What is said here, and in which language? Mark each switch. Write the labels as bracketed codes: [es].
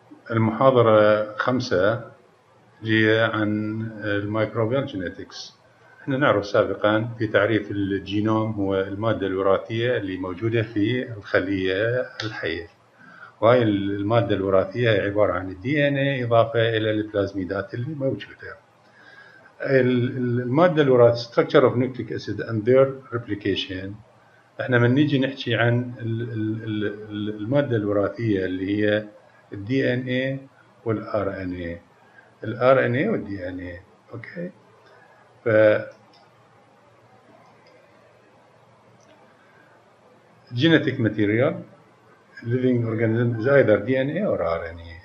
[ar] المحاضرة 5 هي عن الميكروبيال جينيتكس. احنا نعرف سابقا في تعريف الجينوم هو المادة الوراثية اللي موجودة في الخلية الحية، وهي المادة الوراثية عبارة عن الدي ان اي اضافة الى البلازميدات اللي موجودة. المادة الوراثية [en] structure of nucleic acid and their replication. [ar] احنا من نيجي نحكي عن المادة الوراثية اللي هي الدي ان اي والار ان اي، الار ان اي والدي ان اي، اوكي. [en] ف genetic material living organism is either D N A or R N A.